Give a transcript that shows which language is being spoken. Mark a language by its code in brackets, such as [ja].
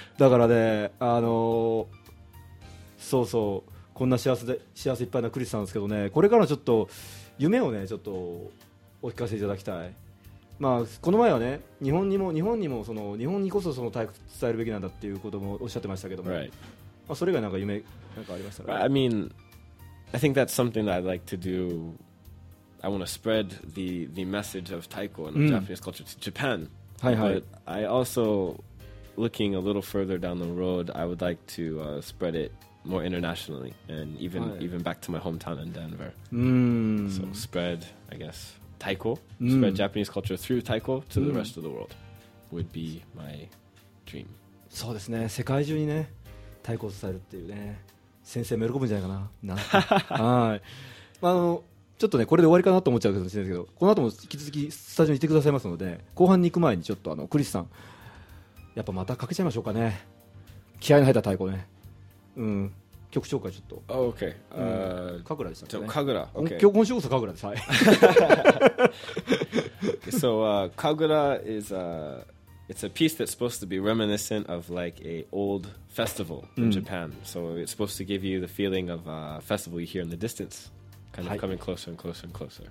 [ja] だからね、そうそう、こんな幸せいっぱいなクリスさんですけどね、これからちょっと夢をね、ちょっとお聞かせいただきたい。まあこの前はね、日本にもその日本にこそその体育伝えるべきなんだっていうこともおっしゃってましたけども、 [en] right. [ja] まあ、それ以外なんか夢なんかありましたか、 [en] ね。I mean. I think that's something that I'd like to do. I want to spread the message of Taiko and of Japanese culture to Japan. Hi, hi. But I also, looking a little further down the road, I would like to spread it more internationally and even back to my hometown in Denver. So spread, I guess, Taiko, spread Japanese culture through Taiko to the rest of the world would be my dream. [ja] そうですね。世界中にね、太鼓を伝えるっていうね。先生も喜ぶんじゃないかな。なんはい、まあ、あのちょっとねこれで終わりかなと思っちゃうんですけど、この後も引き続きスタジオにいてくださいますので、後半に行く前にちょっとあのクリスさん、やっぱまたかけちゃいましょうかね、気合いの入った太鼓ね、曲紹介ちょっと、 [en] oh, OK、 [ja] 神楽でしたっけね、神楽、 [en] okay. [ja] 今週こそ神楽です、はい、 [en] So, 神楽 is aIt's a piece that's supposed to be reminiscent of like an old festival in Japan. So it's supposed to give you the feeling of a festival you hear in the distance, kind of coming closer and closer and closer.